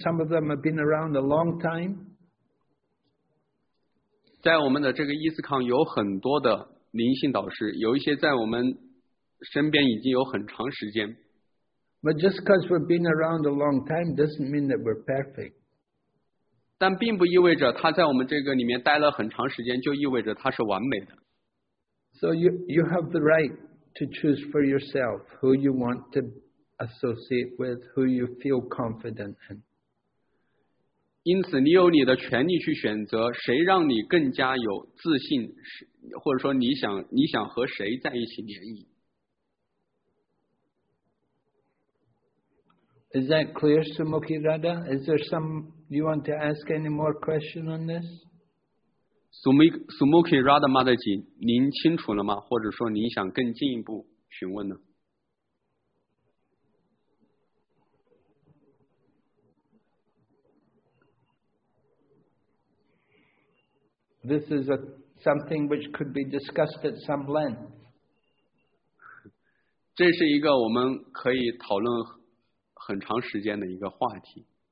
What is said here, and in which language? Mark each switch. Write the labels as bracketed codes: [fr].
[en] Some of them have been around a long time. [zh] 在我们的这个伊斯康有很多的灵性导师，有一些在我们身边已经有很长时间。 [en] But just because we've been around a long time doesn't mean that we're perfect. [zh] 但并不意味着他在我们这个里面待了很长时间就意味着他是完美的。 [en] So you have the right to choose for yourself who you want to associate with, who you feel confident in. [zh] 因此你有你的权利去选择谁让你更加有自信，或者说你想和谁在一起联谊。 [en] Is that clear, Sumukhi Radha? Is there some you want to ask any more question on this? [zh] Sumukhi Radha Mataji, 您清楚了吗？或者说您想更进一步询问呢？ [en] This is something which could be discussed at some length. [zh] 这是一个我们可以讨论很长时间的一个话题。